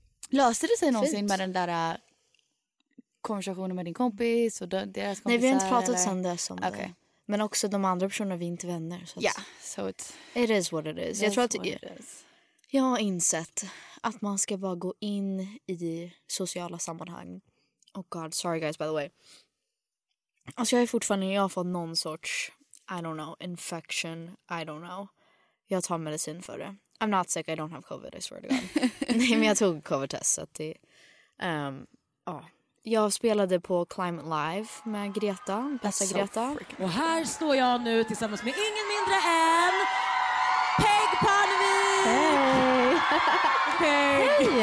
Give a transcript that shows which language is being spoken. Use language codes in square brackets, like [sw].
[sv] Löste det sig någonsin med den där konversationer med din kompis och deras kompisar? Nej, vi har inte pratat sen dess om [en] okay. [sv] det. Men också de andra personerna, vi är inte vänner. [en] Ja, yeah, so it is what it is. [sv] Jag tror att [en] it is. [sv] Jag har insett att man ska bara gå in i sociala sammanhang. [en] Oh god, sorry guys, by the way. [sv] Alltså jag har fått någon sorts, [en] I don't know, infection, I don't know. [sv] Jag tar medicin för det. [en] I'm not sick, I don't have COVID, I swear to god. [sv] Nej, men jag tog covid-test, så att det... Jag spelade på Climate Live med Greta, bästa Greta. Och här står jag nu tillsammans med ingen mindre än Peg Parnevik! Hej! Peg!